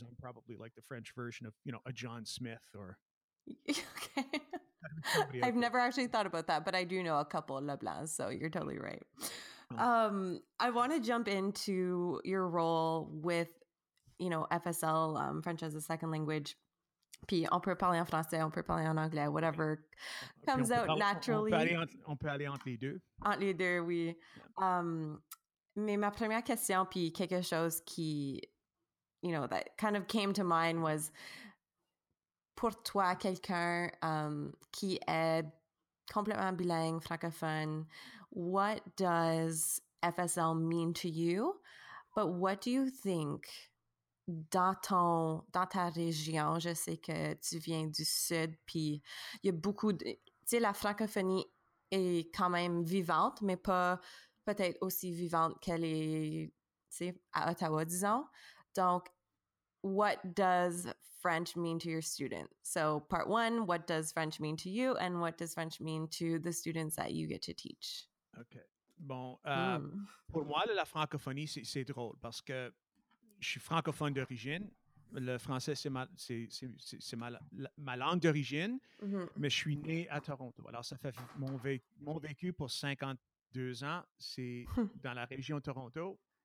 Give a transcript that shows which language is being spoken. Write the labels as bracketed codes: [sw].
[en] I'm probably like the French version of, you know, a John Smith or. Okay. I've never actually thought about that, but I do know a couple of Leblancs. So you're totally right. I want to jump into your role with, you know, FSL, French as a second language. [fr] Puis on peut parler en français, on peut parler en anglais, [en] whatever comes out naturally. [fr] On peut aller entre les deux. Entre les deux, oui. [en] Yeah. [fr] Mais ma première question, puis quelque chose qui, [en] you know, that kind of came to mind was, [fr] pour toi, quelqu'un qui est complètement bilingue, francophone, [en] what does FSL mean to you? But what do you think... [fr] dans ta région, je sais que tu viens du sud, puis il y a beaucoup de... Tu sais, la francophonie est quand même vivante, mais pas peut-être aussi vivante qu'elle est, tu sais, à Ottawa, disons. Donc, [en] what does French mean to your students? So, part one, what does French mean to you, and what does French mean to the students that you get to teach? Okay. [fr] Bon, pour moi, la francophonie, c'est drôle, parce que je suis francophone d'origine. Le français, c'est ma langue d'origine, mm-hmm. mais je suis né à Toronto. Alors, ça fait mon vécu pour 52 ans, c'est dans la région de Toronto.